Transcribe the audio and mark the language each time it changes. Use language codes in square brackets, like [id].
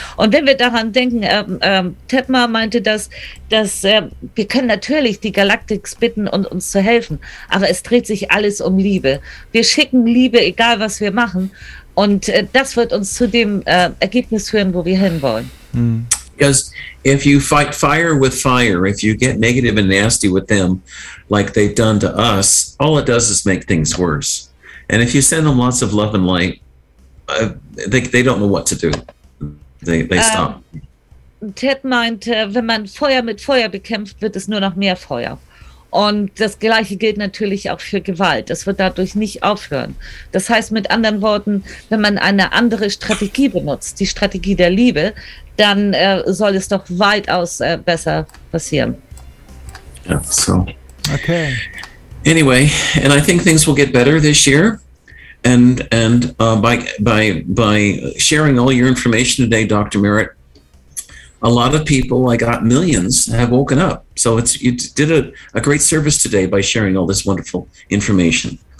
[de] Und wenn wir daran denken, Tedma meinte das, dass wir können natürlich die Galactics bitten, uns zu helfen, aber es dreht sich alles um Liebe. Wir schicken Liebe, egal was wir machen. Und das wird uns zu dem Ergebnis führen, wo wir hinwollen. Mhm. [en] Because if you fight fire with fire, if you get negative and nasty with them, like they've done to us, all it does is make things worse. And if you send them lots of love and light, they don't know what to do. They stop. [de] Ted meint, wenn man Feuer mit Feuer bekämpft, wird es nur noch mehr Feuer. Und das Gleiche gilt natürlich auch für Gewalt. Das wird dadurch nicht aufhören. Das heißt mit anderen Worten, wenn man eine andere Strategie benutzt, die Strategie der Liebe, dann soll es doch weitaus besser passieren. [en] Yeah, so. Okay. Anyway, and I think things will get better this year. And by sharing all your information today, Dr. Merritt, a lot of people, I got millions, have woken up. So it's you did a great service today by sharing all this wonderful information.